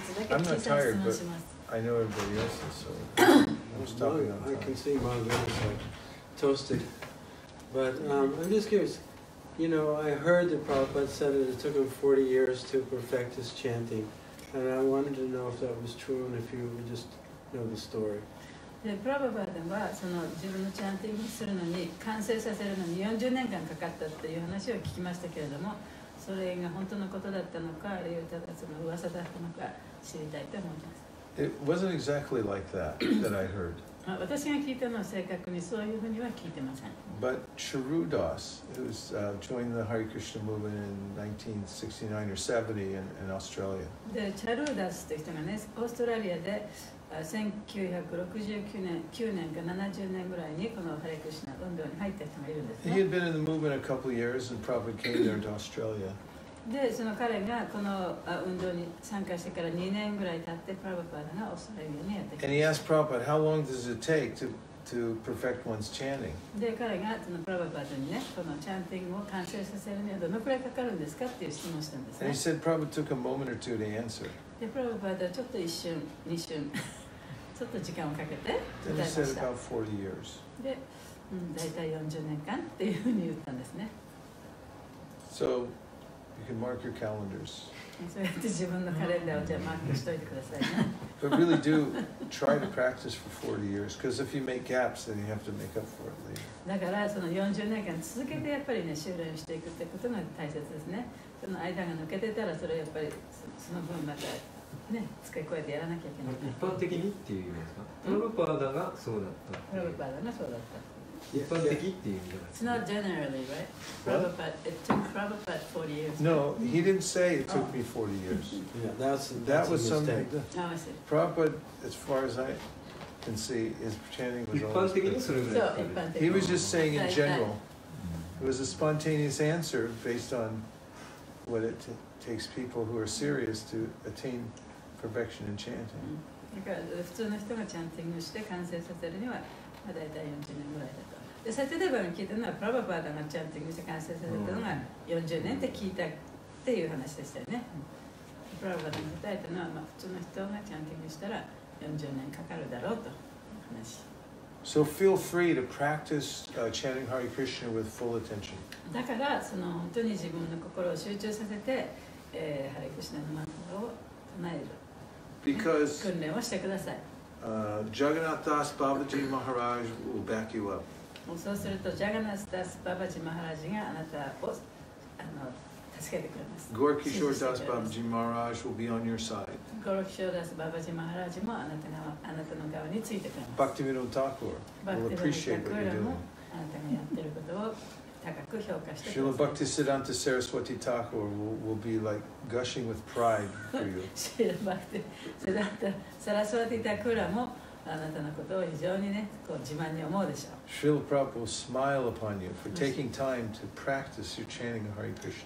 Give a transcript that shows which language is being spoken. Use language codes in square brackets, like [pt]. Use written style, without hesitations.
[en] I'm not tired, but I know everybody else is, so I'm stopping on time. I can see Magun is like toasted. But I'm just curious. You know, I heard that Prabhupada said that it took him 40 years to perfect his chanting, and I wanted to know if that was true and if you would just know the story. [ja] Prabhupada はその自分のチャンティングするのに完成させるのに40年間かかったっていう話を聞きましたけれども、それが本当のことだったのか、あるいはただその噂だったのか知りたいと思います。 [en] It wasn't exactly like that that I heard. [ja] 私が聞いたのは正確にそういうふうには聞いてません。 [en] But Charudas, who was, joined the Hare Krishna movement in 1969 or 70 in Australia. [ja] で、チャルーダスという人がね、オーストラリアで1969年か70年ぐらいにこのハレクリシナ運動に入った人がいるんですね。 [en] He had been in the movement a couple of years and probably came there to Australia. [ja] で、その彼がこの運動に参加してから2年ぐらい経って、プラヴァパダがオーストラリアにやってきた。 [en] And he asked Prabhupada, how long does it take to perfect one's chanting? [ja] で、彼がそのプラヴァパダにね、このチャンティングを完成させるにはどのくらいかかるんですかっていう質問をしたんですね。 [en] And he said Prabhupada took a moment or two to answer. [ja] で、プラヴァパダはちょっと一瞬、二瞬、ちょっと時間をかけて答えました。 [en] Then he said about 40 years. [ja] で、大体40年間っていうふうに言ったんですね。 [en] So,You can mark your calendars. But really do try to practice for 40 years, because if you make gaps, then you have to make up for it later. [ja] だからその40年間続けてやっぱりね修練していくってことが大切ですね。その間が抜けてたらそれやっぱりその分またね使い越えてやらなきゃいけない。一般的にっていう意味ですか？プラヴァパダがそうだった。プラヴァパダがそうだった。一般的っていう意味じゃないですか。 [en] It's not generally, right? What? Prabhupada, it took Prabhupada 40 years. No, he didn't say it took me 40 years. Yeah, that was something. Oh, I see. Prabhupada, as far as I can see, his chanting was all. [ja] 一般的にそれぐらい。 [en] He was just saying in general. It was a spontaneous answer based on what it takes people who are serious to attain perfection in chanting. [ja] だから普通の人がチャンティングして完成させるには。だいたい40年ぐらいだと。で、先ほど聞いたのはプラヴァパーダのチャンティングして完成させたのが40年って聞いたっていう話でしたよね。プラヴァパーダが答えたのは、まあ、普通の人がチャンティングしたら40年かかるだろうと話。 [en] So feel free to practice chanting Hare Krishna with full attention. [ja] だからその本当に自分の心を集中させて、ハレクリシナのマントラを唱える。 [en] Because [ja] 訓練をしてください。 [en] Jagannath Das Babaji Maharaj will back you up. [ja] そうすると、Jagannath Das Babaji Maharaj があなたを助けてくれます。 [en] Gaurakishore Das Babaji Maharaj will be on your side. [ja] Gaurakishore Das Babaji Maharaj もあなたの側についてくれます。 [en] Bhaktivinoda Thakur will appreciate what you're doing. [ja] あなたがやってることを高く評価してください [en] Srila Bhaktisiddhanta Saraswati Thakur will be like gushing with pride for you. [ja] Srila Bhaktisiddhanta Saraswati Thakur もあなたのことを非常にね、こう自慢に思うでしょう。 [en] Srila Prabhupada will smile upon you for taking time to practice your chanting of Hare Krishna.